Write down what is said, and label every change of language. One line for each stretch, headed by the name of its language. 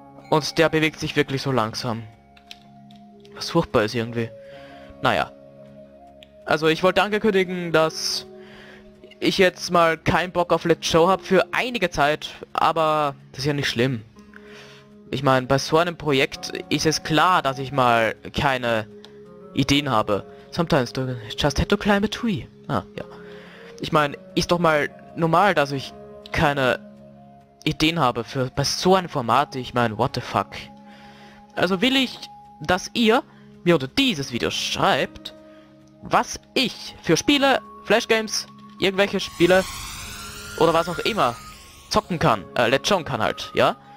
German: Und der bewegt sich wirklich so langsam. Was furchtbar ist irgendwie. Naja. Also ich wollte ankündigen, dass ich jetzt mal keinen Bock auf Let's Show habe für einige Zeit. Aber das ist ja nicht schlimm. Ich meine, bei so einem Projekt ist es klar, dass ich mal keine Ideen habe.
English: Sometimes you just had to climb a tree.
German: Ah, ja. Ich meine, ist doch mal normal, dass ich keine... Ideen habe für bei so einem Format. Ich meine,
English: what the fuck.
German: Also will ich, dass ihr mir unter dieses Video schreibt, was ich für Spiele, Flash Games, irgendwelche Spiele oder was auch immer zocken kann, let's schauen kann halt, ja.